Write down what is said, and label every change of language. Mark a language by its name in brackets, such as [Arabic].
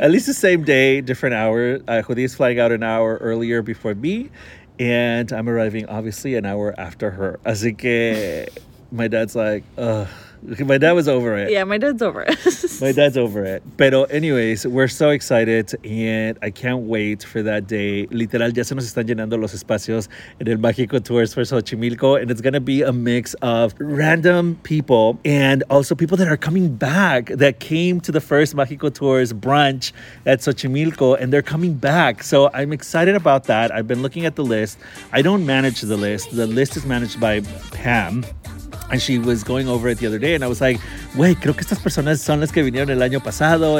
[English] At least the same day, different hour. Judy is flying out an hour earlier before me, and I'm arriving obviously an hour after her. [Spanish] Así que [English] my dad's like, ugh. My dad was over it. Yeah, my dad's over it. My dad's over it. [Spanish] Pero [English] anyways, we're so excited and I can't wait for that day. [Spanish] Literal, ya se nos están llenando los espacios en el Mágico Tours for Xochimilco. [English] And it's going to be a mix of random people and also people that are coming back that came to the first Mágico Tours brunch at Xochimilco and they're coming back. So I'm excited about that. I've been looking at the list. I don't manage the list. The list is managed by Pam. And she was going over it the other day, and I was like, wait, [Spanish] creo que estas personas son las que vinieron el año pasado.